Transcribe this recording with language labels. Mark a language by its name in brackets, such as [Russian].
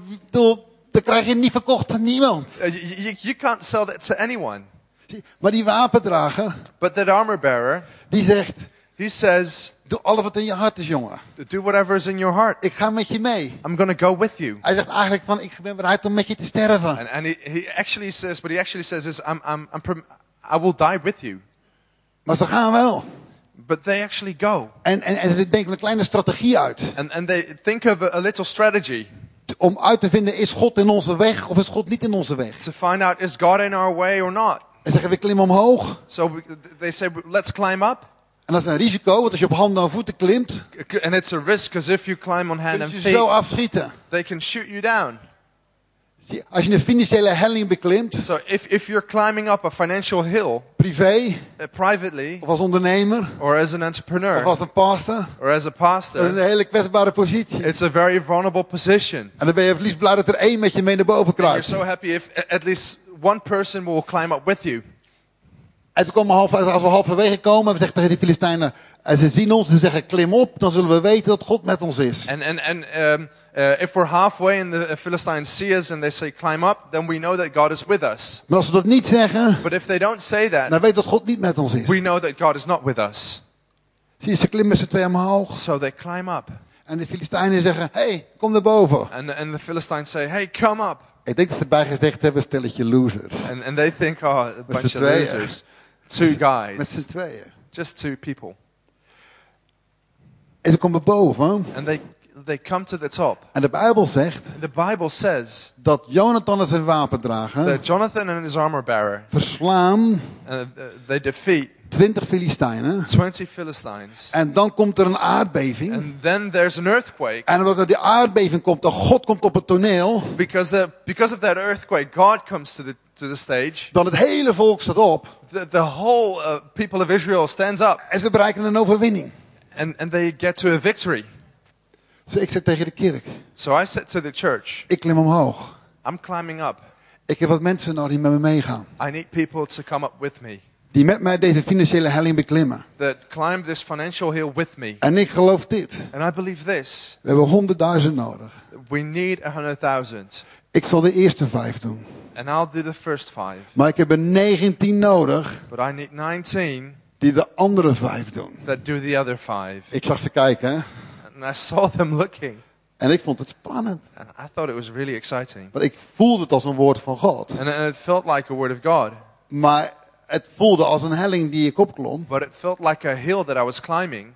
[Dutch] Dan krijg je niet verkocht aan niemand. [English] You can't sell that to anyone. [Dutch] Maar die wapendrager, [English] but that armor bearer, [Dutch] die zegt, [English] he says, [Dutch] doe alles wat in je hart is, jongen. [English] Do whatever is in your heart. [Dutch] Ik ga met je mee. [English] I'm going to go with you. [Dutch] Hij zegt eigenlijk van, ik ben bereid om met je te sterven. [English] And he actually says, what he actually says is, I will die with you. [Dutch] Maar ze gaan wel. [English] But they actually go. [Dutch] En ze denken een kleine strategie uit. [English] And they think of a little strategy. [Dutch] Om uit te vinden, is God in onze weg of is God niet in onze weg? [English] To find out, is God in our way or not? [Dutch] En zeggen, we klimmen omhoog. [English] So they say, let's climb up. [Dutch] En dat is een risico, want als je op handen en voeten klimt. [English] And it's a risk, because if you climb on hand and feet. [Dutch] Kun je zo afschieten. [English] They can shoot you down. [Dutch] Als je een financiële helling beklimt. [English] So if you're climbing up a financial hill. [Dutch] Privé. [English] Privately. [Dutch] Of als ondernemer. [English] Or as an entrepreneur. [Dutch] Of als een pastor. [English] Or as a pastor. [Dutch] Dat is een hele kwetsbare positie. [English] It's a very vulnerable position. [Dutch] En dan ben je het liefst blij dat er één met je mee naar boven kruipt. [English] You're so happy if at least one person will climb up with you. [Dutch] En toen komen als we halverwege komen, we zeggen tegen de Filistijnen, en ze zien ons, ze zeggen klim op, dan zullen we weten dat God met ons is. [English] And if we're halfway and the Philistines see us and they say climb up, then we know that God is with us. [Dutch] Maar als we dat niet zeggen, [English] but if they don't say that, [Dutch] dan weten we dat God niet met ons is. [English] We know that God is not with us. [Dutch] Zie, ze klimmen z'n tweeën omhoog. [English] So they climb up. [Dutch] En de Filistijnen zeggen, hey, kom naar boven. [English] And the Philistines say, hey, come up. [Dutch] Ik denk dat ze erbij gezegd hebben, stelletje losers. [English] And they think, oh, a bunch of losers. Two guys. [Dutch] Met z'n tweeën. [English] Just two people. [Dutch] En ze komen boven. [English] And they come to the top. [Dutch] En de Bijbel zegt. [English] And the Bible says. [Dutch] Dat Jonathan en zijn wapendrager. [English] That Jonathan and his armor bearer. [Dutch] Verslaan. [English] They defeat. [Dutch] 20 Filistijnen. [English] 20 Philistines. [Dutch] En dan komt er een aardbeving. [English] And then there's an earthquake. [Dutch] En omdat er die aardbeving komt, dan God komt op het toneel. [English] Because of that earthquake, God comes to the stage. [Dutch] Dan het hele volk staat op. [English] The whole people of Israel stands up. [Dutch] En ze bereiken een overwinning. [English] And they get to a victory. [Dutch] So ik zeg tegen de kerk. [English] So I said to the church. [Dutch] Ik klim omhoog. [English] I'm climbing up. [Dutch] Ik heb wat mensen nodig die met me meegaan. [English] I need people to come up with me. [Dutch] Die met mij deze financiële helling beklimmen. [English] That climb this financial hill with me. [Dutch] En ik geloof dit. [English] And I believe this. [Dutch] We hebben 100.000 nodig. [English] We need 100.000. [Dutch] Ik zal de eerste 5 doen. [English] And I'll do the first 5. [Dutch] Maar ik heb er 19 nodig. [English] But I need 19. [Dutch] Die de andere 5 doen. [English] That do the other 5. [Dutch] Ik zag ze kijken. [English] And I saw them looking. [Dutch] En ik vond het spannend. [English] And I thought it was really exciting. [Dutch] Want ik voelde het als een woord van God. [English] And it felt like a word of God. [Dutch] Maar het voelde als een helling die ik opklom. [English] But it felt like a hill that I was climbing.